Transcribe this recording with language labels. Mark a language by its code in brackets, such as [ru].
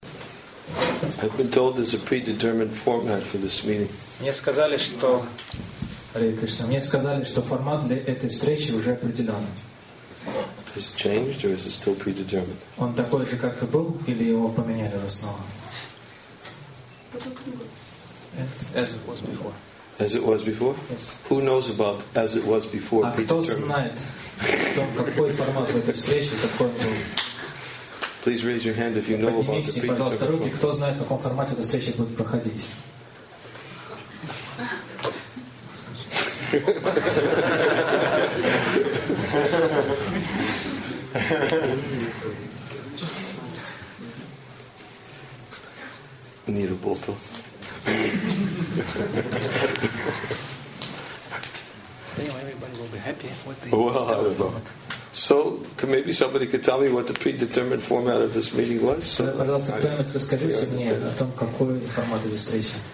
[en] I've been told there's a predetermined format for this meeting. [ru] Мне сказали, что формат для этой встречи уже определен. [en] Has it changed or is it still predetermined? [ru] Он такой же, как и был, или его поменяли в основном? [en] As it was before. Yes. Who knows about as it was before? [ru] А кто знает, какой формат этой встречи, какой был? [en] Please raise your hand if you know about the predetermined. [ru] Поднимите, пожалуйста, руки, кто знает, в каком формате эта встреча будет проходить? [en] Need a bottle. Anyway, everybody will be happy with the. Well, I don't know. So maybe somebody could tell me what the predetermined format of this meeting was. So, [ru] пожалуйста, кто-нибудь расскажите мне о том, какой формат этой встречи.